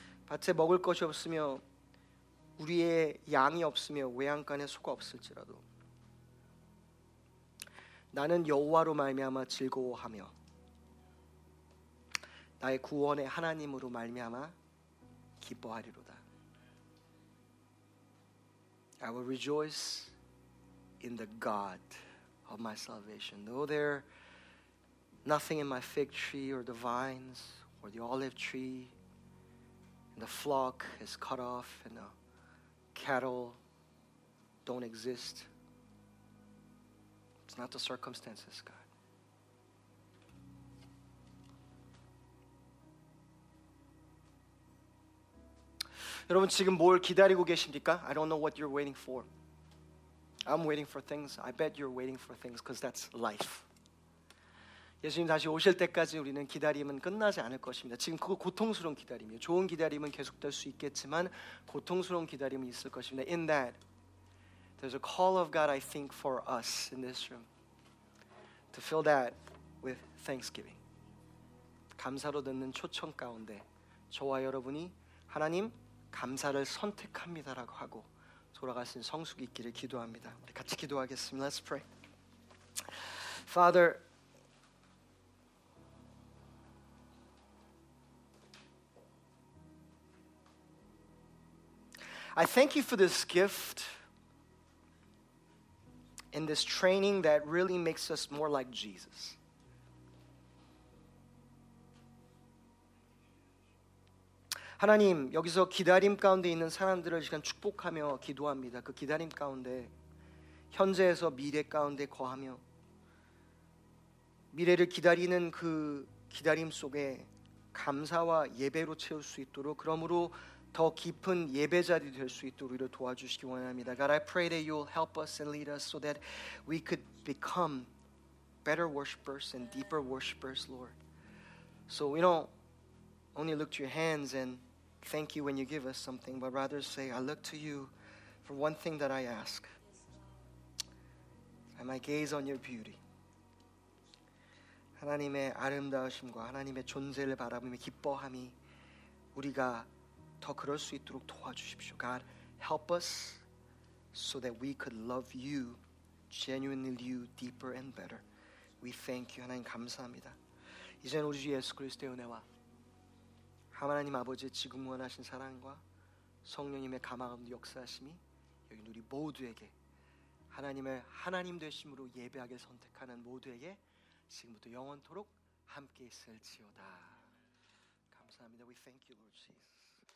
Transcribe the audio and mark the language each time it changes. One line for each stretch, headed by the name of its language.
Korean: 밭에 먹을 것이 없으며 우리의 양이 없으며 외양간에 소가 없을지라도 나는 여호와로 말미암아 즐거워하며 나의 구원의 하나님으로 말미암아 기뻐하리로다.
English: I will rejoice in the God of my salvation. Though there are nothing in my fig tree or the vines or the olive tree, and the flock is cut off and the cattle don't exist, it's not the circumstances, God. I don't know what you're waiting for. I'm waiting for things. I bet you're waiting for things because that's life.
Korean: 예수님 다시 오실 때까지 우리는 기다림은 끝나지 않을 것입니다. 지금 그 고통스러운 기다림이에요. 좋은 기다림은 계속될 수 있겠지만 고통스러운 기다림은 있을 것입니다.
English: In that, there's a call of God, I think, for us in this room to fill that with thanksgiving.
Korean: 감사로 듣는 초청 가운데 저와 여러분이 하나님 감사를 선택합니다라고 하고 돌아가신 성숙이 있기를 기도합니다. 우리 같이 기도하겠습니다.
English: Let's pray. Father, I thank you for this gift and this training that really makes us more like Jesus.
Korean: Hananim, 여기서 기다림 가운데 있는 사람들을 지금 축복하며 기도합니다. 그 기다림 가운데 현재에서 미래 가운데 거하며 미래를 기다리는 그 기다림 속에 감사와 예배로 채울 수 있도록 그러므로 더 깊은 예배자리 될 수 있도록 우리를 도와주시기 원합니다.
English: God, I pray that you'll help us and lead us so that we could become better worshipers and deeper worshipers, Lord. So we don't only look to your hands and thank you when you give us something, but rather say, I look to you for one thing that I ask, and I gaze on your beauty.
Korean: 하나님의 아름다우심과 하나님의 존재를 바라보며 기뻐함이 우리가 더 그럴 수 있도록 도와주십시오.
English: God, help us so that we could love you, genuinely you, deeper and better. We thank you.
Korean: 하나님 감사합니다. 이제는 우리 주 예수 그리스도의 은혜와 하나님 아버지의 지금 원하신 사랑과 성령님의 감화감도 역사하심이 여기 우리 모두에게 하나님을 하나님 되심으로 예배하길 선택하는 모두에게 지금부터 영원토록 함께 있을지어다. 감사합니다.
English: We thank you, Lord Jesus.